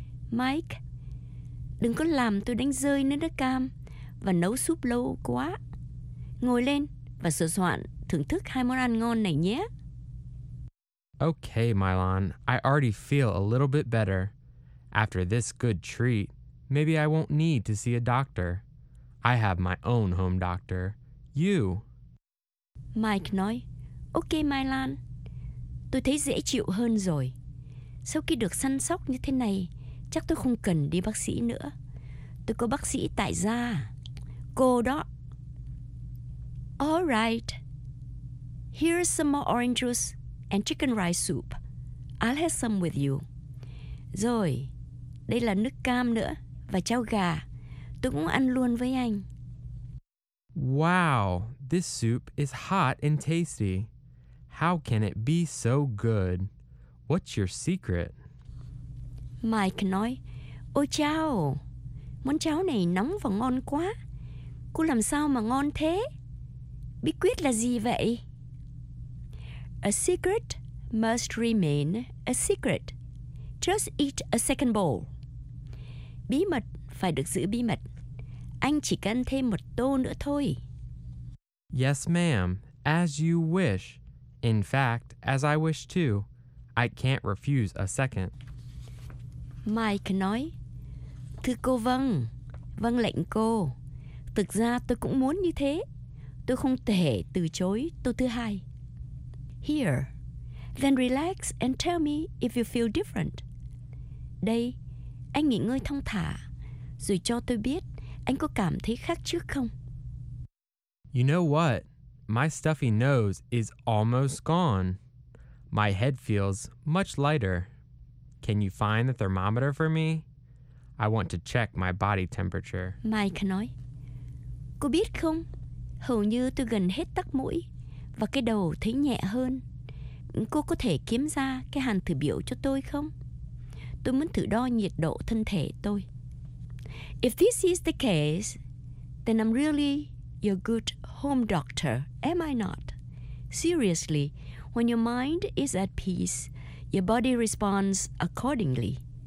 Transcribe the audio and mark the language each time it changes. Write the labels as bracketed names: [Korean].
[Vietnamese] Mike, đừng có làm tôi đánh rơi nước cam và nấu súp lâu quá. Ngồi lên và sửa soạn thưởng thức hai món ăn ngon này nhé. [English] Okay, Mylon, I already feel a little bit better. After this good treat, maybe I won't need to see a doctor. I have my own home doctor. You. [Vietnamese] Mike nói, ok Mylon, tôi thấy dễ chịu hơn rồi. Sau khi được săn sóc như thế này, chắc tôi không cần đi bác sĩ nữa. Tôi có bác sĩ tại gia. Cô đó. [English] All right. Here's some more orange juice and chicken rice soup. I'll have some with you. Rồi. [Vietnamese] Đây là nước cam nữa và cháo gà. Tôi cũng ăn luôn với anh. [English] Wow, this soup is hot and tasty. How can it be so good? What's your secret? [Vietnamese] Mike nói, ôi chao, món cháo này nóng và ngon quá. Cô làm sao mà ngon thế? Bí quyết là gì vậy? [English] A secret must remain a secret. Just eat a second bowl. [Vietnamese] Bí mật phải được giữ bí mật. Anh chỉ cần thêm một tô nữa thôi. [English] Yes, ma'am. As you wish. In fact, as I wish too. I can't refuse a second. [Vietnamese] Mike nói, thưa cô vâng. Vâng lệnh cô. Thực ra tôi cũng muốn như thế. Tôi không thể từ chối tô thứ hai. [English] here. Then relax and tell me if you feel different. [Vietnamese] Đây, anh nghỉ ngơi thong thả, rồi cho tôi biết anh có cảm thấy khác trước không? [English] You know what? My stuffy nose is almost gone. My head feels much lighter. Can you find the thermometer for me? I want to check my body temperature. [Vietnamese] Mike nói, cô biết không, hầu như tôi gần hết tắc mũi và cái đầu thấy nhẹ hơn. Cô có thể kiếm ra cái hàn thử biểu cho tôi không? Tôi muốn thử đo nhiệt độ thân thể tôi. [English] If this is the case, then I'm really your good home doctor, am I not? Seriously, when your mind is at peace, your body responds accordingly.